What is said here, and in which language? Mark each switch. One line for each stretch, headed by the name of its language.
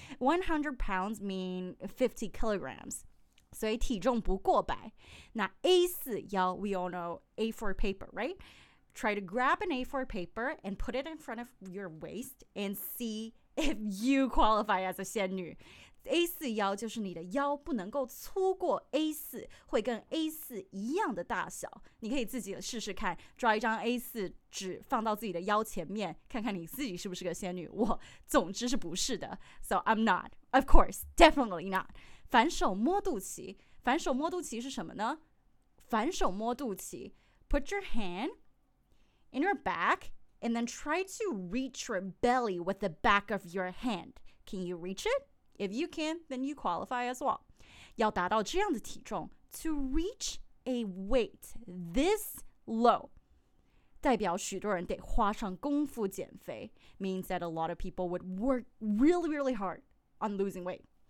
English: 100 pounds mean 50 kilograms.
Chinese: 所以体重不过百, 那A4腰,
English: we all know A4 paper, right? Try to grab an A4 paper and put it in front of your waist and see if you qualify as a 仙女.
Chinese: A4腰就是你的腰不能够粗过A4, 会跟A4一样的大小. 你可以自己试试看, 抓一张A4纸, 放到自己的腰前面, 看看你自己是不是个仙女. 我总之是不是的.
English: So I'm not. Of course, definitely not.
Chinese: 反手摸肚脐, 反手摸肚脐是什么呢? 反手摸肚脐,
English: put your hand in your back, and then try to reach your belly with the back of your hand. Can you reach it? If you can, then you qualify as well.
Chinese: 要达到这样的体重,
English: to reach a weight this low,
Chinese: 代表许多人得花上功夫减肥,
English: means that a lot of people would work really, really hard on losing weight.